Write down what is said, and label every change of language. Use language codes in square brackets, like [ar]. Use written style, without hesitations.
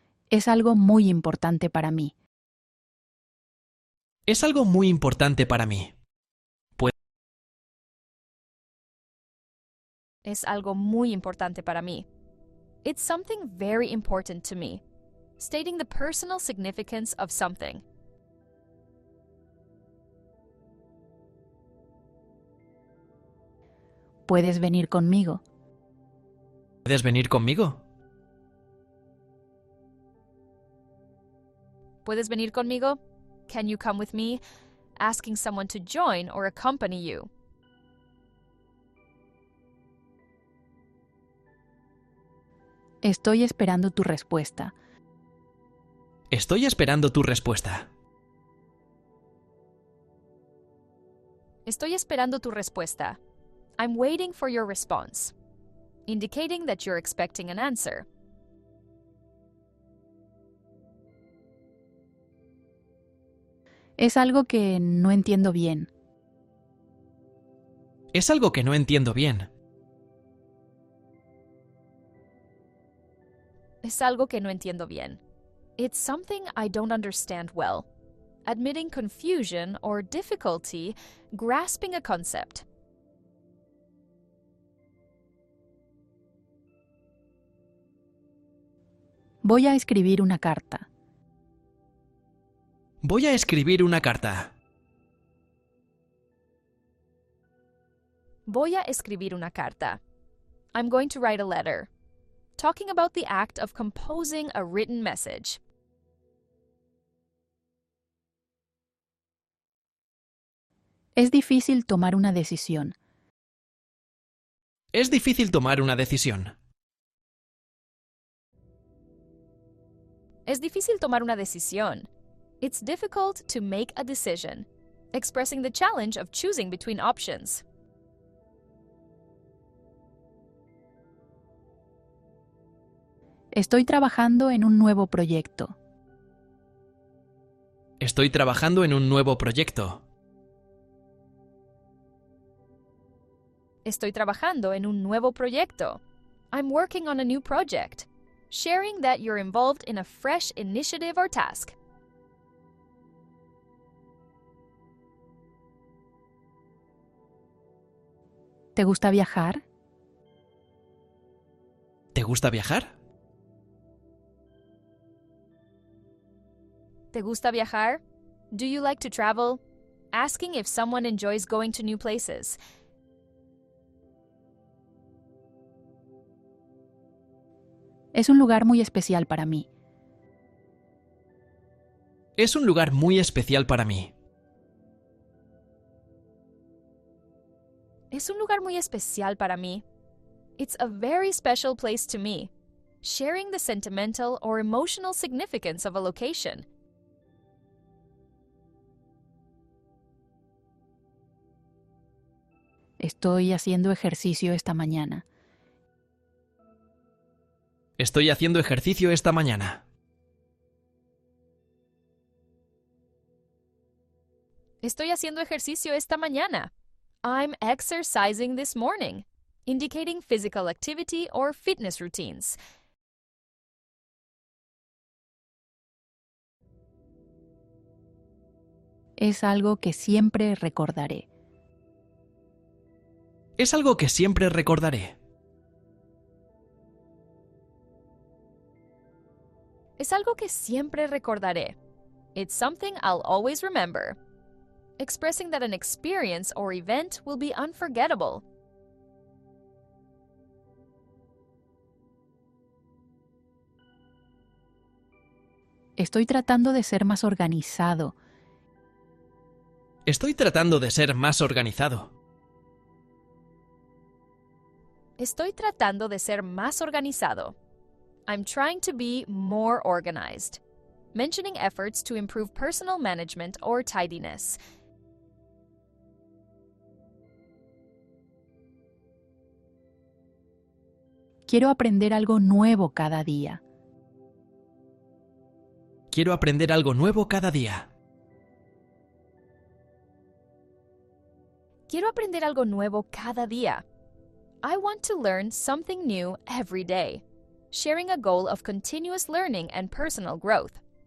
[es] Es algo muy importante para mí. Es algo muy importante para mí. Es algo muy importante para mí. [en] It's something very important to me. Stating the personal significance of something. [es] Puedes venir conmigo. Puedes venir conmigo. Puedes venir conmigo. [en] Can you come with me? Asking someone to join or accompany you. [es] Estoy esperando tu respuesta. Estoy esperando tu respuesta. Estoy esperando tu respuesta. [en] I'm waiting for your response. Indicating that you're expecting an answer. [es] Es algo que no entiendo bien. Es algo que no entiendo bien. Es algo que no entiendo bien. [en] It's something I don't understand well. Admitting confusion or difficulty grasping a concept. [es] Voy a escribir una carta. Voy a escribir una carta. Voy a escribir una carta. [en] I'm going to write a letter. Talking about the act of composing a written message. [es] Es difícil tomar una decisión. Es difícil tomar una decisión. Es difícil tomar una decisión. [en] It's difficult to make a decision, expressing the challenge of choosing between options. [es] Estoy trabajando en un nuevo proyecto. Estoy trabajando en un nuevo proyecto. Estoy trabajando en un nuevo proyecto. [en] I'm working on a new project. Sharing that you're involved in a fresh initiative or task. [es] ¿Te gusta viajar? ¿Te gusta viajar? ¿Te gusta viajar? [en] Do you like to travel? Asking if someone enjoys going to new places. [es] Es un lugar muy especial para mí. Es un lugar muy especial para mí. Es un lugar muy especial para mí. [en] It's a very special place to me. Sharing the sentimental or emotional significance of a location. [es] Estoy haciendo ejercicio esta mañana. Estoy haciendo ejercicio esta mañana. Estoy haciendo ejercicio esta mañana. [en] I'm exercising this morning, indicating physical activity or fitness routines. [es] Es algo que siempre recordaré. Es algo que siempre recordaré. Es algo que siempre recordaré. [en] It's something I'll always remember. Expressing that an experience or event will be unforgettable. [es] Estoy tratando de ser más organizado. Estoy tratando de ser más organizado. Estoy tratando de ser más organizado. [en] I'm trying to be more organized. Mentioning efforts to improve personal management or tidiness. [es] Quiero aprender algo nuevo cada día. Quiero aprender algo nuevo cada día. Quiero aprender algo nuevo cada día. [en] I want to learn something new every day. Sharing a goal of continuous learning and personal growth.